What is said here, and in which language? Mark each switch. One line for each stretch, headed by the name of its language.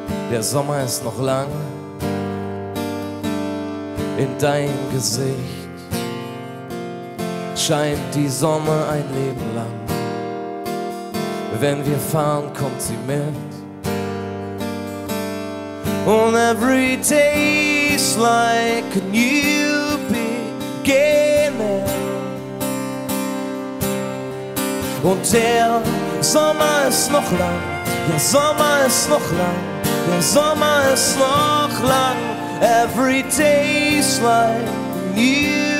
German: Der Sommer ist noch lang in dein Gesicht. Scheint die Sonne ein Leben lang. Wenn wir fahren, kommt sie mit.
English: And every day is like a new beginning.
German: Und der Sommer ist noch lang. Der Sommer ist noch lang. Der Sommer ist noch lang.
English: Every day is like a new.